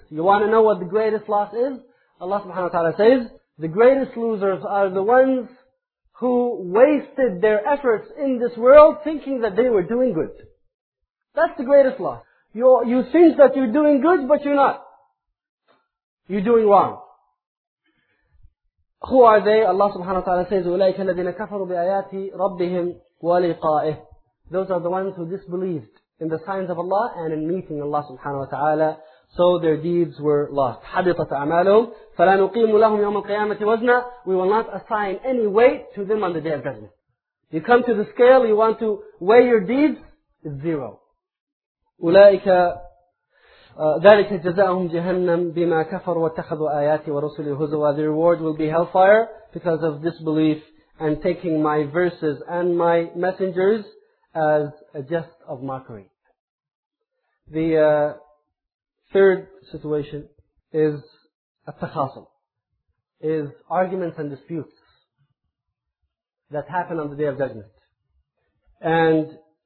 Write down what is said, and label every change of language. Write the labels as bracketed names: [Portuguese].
[English] You want to know what the greatest loss is? Allah subhanahu wa ta'ala says, the greatest losers are the ones who wasted their efforts in this world thinking that they were doing good. That's the greatest loss. You think that you're doing good, but you're not. You're doing wrong. Who are they? [Arabic] Allah subhanahu wa ta'ala says, أُولَٰئِكَ الَّذِينَ كَفَرُوا بِآيَاتِ رَبِّهِمْ وَلِقَائِهِ. [English] Those are the ones who disbelieved in the signs of Allah and in meeting Allah subhanahu wa ta'ala. So their deeds were lost. [Arabic] حَبِطَتْ أَعْمَالُهُمْ فَلَا نُقِيمُ لَهُمْ يَوْمَ الْقِيَامَةِ وَزْنًا. [English] We will not assign any weight to them on the Day of Judgment. You come to the scale, you want to weigh your deeds, it's zero. [Arabic] أُولَٰئِكَ ذلك جزاؤهم جهنم بما كفروا واتخذوا آياتي ورسلي هزوا. [English] The reward will be hellfire because of disbelief and taking my verses and my messengers as a jest of mockery. The third situation is التخاصم, is arguments and disputes that happen on the Day of Judgment. And